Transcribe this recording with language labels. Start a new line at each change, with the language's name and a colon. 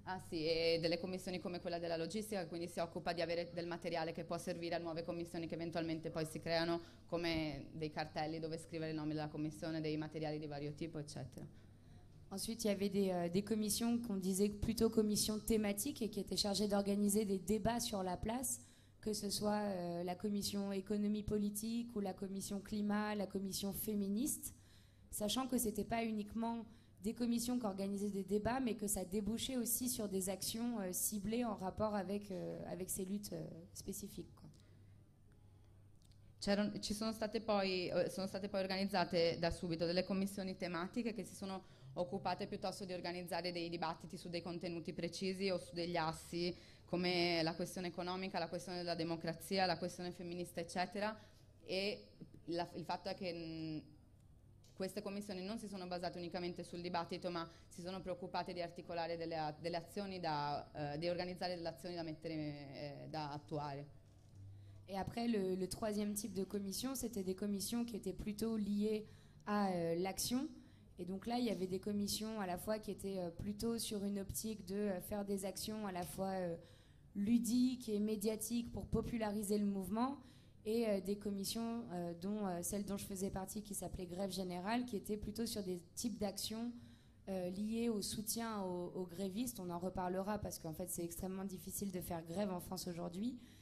Italian: e delle commissioni come quella della logistica, quindi si occupa di avere del materiale che può servire a nuove commissioni che eventualmente poi si creano, come dei cartelli dove scrivere il nome della commissione, dei materiali di vario tipo, eccetera.
French: Ensuite, il y avait des commissions qu'on disait plutôt commissions thématiques et qui étaient chargées d'organiser des débats sur la place, que ce soit la commission économie politique ou la commission climat, la commission féministe, sachant que ce n'était pas uniquement des commissions qui organisaient des débats, mais que ça débouchait aussi sur des actions ciblées en rapport avec ces luttes spécifiques.
Italian: Ci sono state poi organizzate da subito delle commissioni tematiche che si sono occupate piuttosto di organizzare dei dibattiti su dei contenuti precisi o su degli assi come la questione economica, la questione della democrazia, la questione femminista, eccetera. E il fatto è che queste commissioni non si sono basate unicamente sul dibattito, ma si sono preoccupate di articolare delle azioni di organizzare delle azioni da mettere da attuare.
French: Et après, le troisième type de commission, c'était des commissions qui étaient plutôt liées à l'action. Et donc là, il y avait des commissions à la fois qui étaient plutôt sur une optique de faire des actions à la fois ludiques et médiatiques pour populariser le mouvement, et des commissions dont celle dont je faisais partie, qui s'appelait Grève Générale, qui étaient plutôt sur des types d'actions liées au soutien aux grévistes. On en reparlera parce qu'en fait, c'est extrêmement difficile de faire grève en France aujourd'hui.